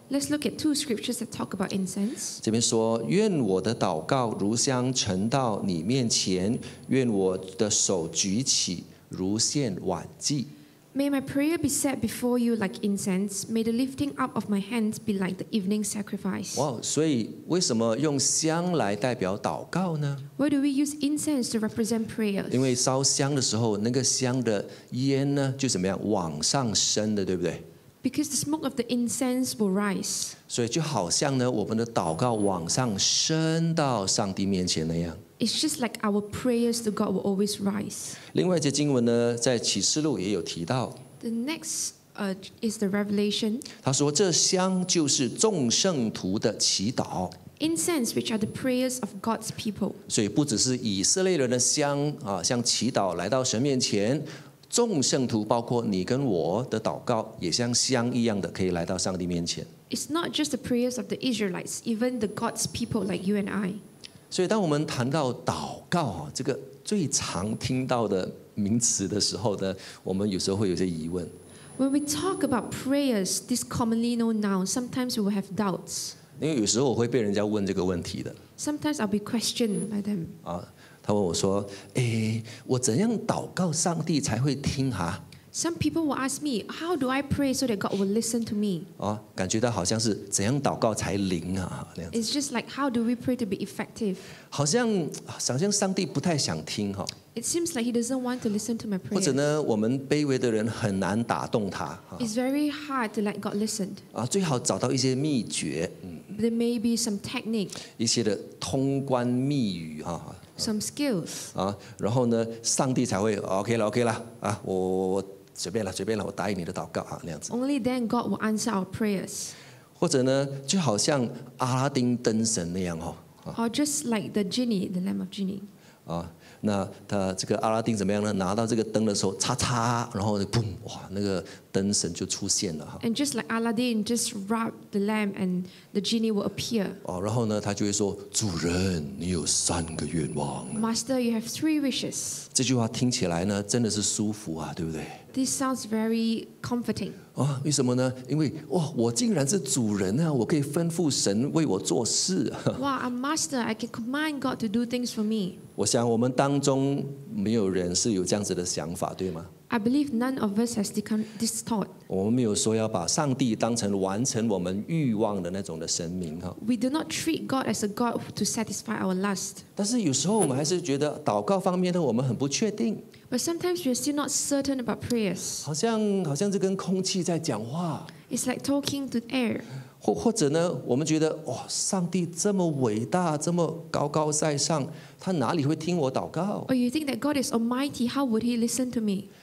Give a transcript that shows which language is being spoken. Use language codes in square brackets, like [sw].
[en] Let's look at two scriptures that talk about incense. [zh] 这边说，愿我的祷告如香陈到你面前，愿我的手举起如献晚祭。 [en] May my prayer be set before you like incense. May the lifting up of my hands be like the evening sacrifice. [zh] Wow, 所以为什么用香来代表祷告呢？ [en] Why do we use incense to represent prayers? [zh] 因为烧香的时候，那个香的烟呢，就怎么样往上升的，对不对？ [en] Because the smoke of the incense will rise. [zh] 所以就好像呢，我们的祷告往上升到上帝面前那样。 [en] It's just like our prayers to God will always rise. [zh] 另外一节经文呢，在启示录也有提到。 [en] The next is the Revelation. [zh] 他说，这香就是众圣徒的祈祷。 [en] Incense, which are the prayers of God's people. [zh] 所以不只是以色列人的香啊，像祈祷来到神面前，众圣徒包括你跟我的祷告，也像香一样的可以来到上帝面前。 [en] It's not just the prayers of the Israelites, even the God's people like you and I. [zh] 所以当我们谈到祷告这个最常听到的名词的时候呢，我们有时候会有些疑问。 [en] When we talk about prayers, this commonly known noun, sometimes we will have doubts. [zh] 因为有时候我会被人家问这个问题的。 [en] Sometimes I'll be questioned by them. [zh] 他问我说，我怎样祷告上帝才会听啊？ [en] Some people will ask me, how do I pray so that God will listen to me? [zh] 感觉到好像是怎样祷告才灵啊？ [en] It's just like, how do we pray to be effective? [zh] 好像上帝不太想听哈。 [en] It seems like he doesn't want to listen to my prayer. [zh] 或者呢，我们卑微的人很难打动他。 [en] It's very hard to let God listen. [zh] 最好找到一些秘诀。 [en] There may be some technique. [zh] 一些的通关密语哈。 [en] Some skills. [zh] 然后呢，上帝才会 OK 了我随便了，我答应你的祷告那样子。 [en] Only then God will answer our prayers. [zh] 或者呢，就好像阿拉丁灯神那样 [en] Or just like the genie, the lamp of genie. [zh] 那他这个阿拉丁怎么样呢？拿到这个灯的时候，擦擦，然后砰，哇，那个灯神就出现了 [en] And just like Aladdin, just rub the lamp, and the genie will appear. [zh] 然后呢，他就会说：“主人，你有三个愿望。” [en] Master, you have three wishes. [zh] 这句话听起来呢，真的是舒服啊，对不对？ This sounds very comforting. 为什么呢？因为哇，我竟然是主人啊，我可以吩咐神为我做事。 [en] Wow, I'm master. I can command God to do things for me. [zh] 我想我们当中没有人是有这样子的想法，对吗？ [en] I believe none of us has this thought. [zh] 我们没有说要把上帝当成完成我们欲望的那种的神明。 [en] We do not treat God as a God to satisfy our lust. [zh] 但是有时候我们还是觉得祷告方面呢，我们很不确定。 [en] But sometimes we are still not certain about prayers. [zh] 好像这跟空气在讲话。 [en] It's like talking to air. [zh] 或者呢，我们觉得哇，上帝这么伟大，这么高高在上，他哪里会听我祷告？ [en] Or you think that God is almighty, how would he listen to me?